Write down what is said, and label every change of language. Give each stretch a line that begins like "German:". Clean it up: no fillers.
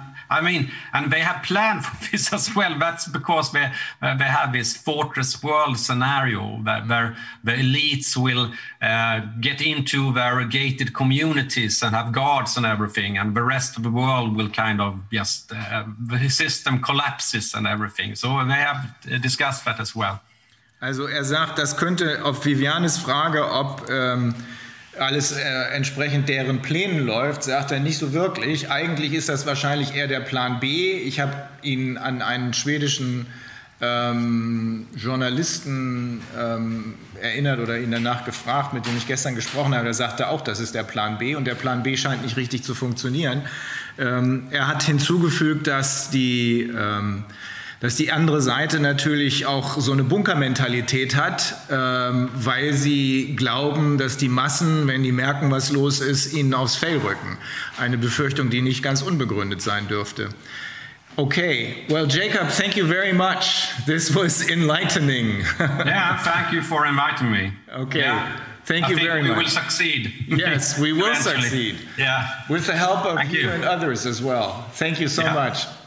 English: And they have planned for this as well. That's because they have this fortress world scenario that the elites will get into their gated communities and have guards and everything, and the rest of the world will kind of just the system collapses and everything. So they have discussed that as well.
German: Also er sagt, das könnte auf Vivianes Frage, ob alles entsprechend deren Plänen läuft, sagt er nicht so wirklich. Eigentlich ist das wahrscheinlich eher der Plan B. Ich habe ihn an einen schwedischen Journalisten erinnert oder ihn danach gefragt, mit dem ich gestern gesprochen habe. Er sagte auch, das ist der Plan B und der Plan B scheint nicht richtig zu funktionieren. Er hat hinzugefügt, dass die... dass die andere Seite natürlich auch so eine Bunkermentalität hat, weil sie glauben, dass die Massen, wenn die merken, was los ist, ihnen aufs Fell rücken. Eine Befürchtung, die nicht ganz unbegründet sein dürfte.
English: Okay, well, Jacob, thank you very much. This was enlightening. Yeah, thank you for inviting me. Okay, yeah. thank you very much. We will succeed. Yes, we will succeed. Yeah. With the help of you and others as well. Thank you so much.